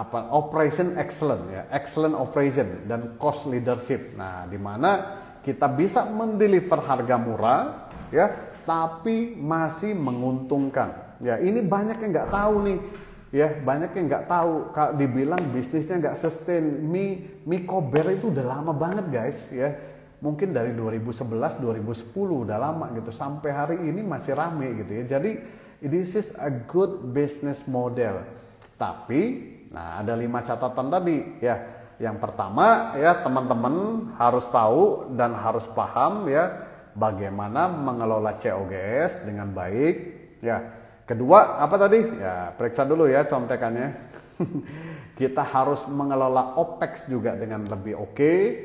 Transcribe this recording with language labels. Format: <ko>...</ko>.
<id>Operation excellent ya, excellent operation dan cost leadership. Nah, di mana kita bisa mendeliver harga murah ya, tapi masih menguntungkan. Ya, ini banyak yang nggak tahu nih. Ya, banyak yang nggak tahu kalau dibilang bisnisnya nggak sustain. Mikober itu udah lama banget, guys, ya. Mungkin dari 2011, 2010 udah lama gitu. Sampai hari ini masih rame gitu ya.</id> <en>Jadi, this is a good business model.</en> <id>Tapi, nah ada 5 catatan tadi ya. Yang pertama ya, teman-teman harus tahu dan harus paham ya bagaimana mengelola COGS dengan baik ya. Kedua, apa tadi? Ya, periksa dulu ya contekannya. Kita harus mengelola OPEX juga dengan lebih oke.</id>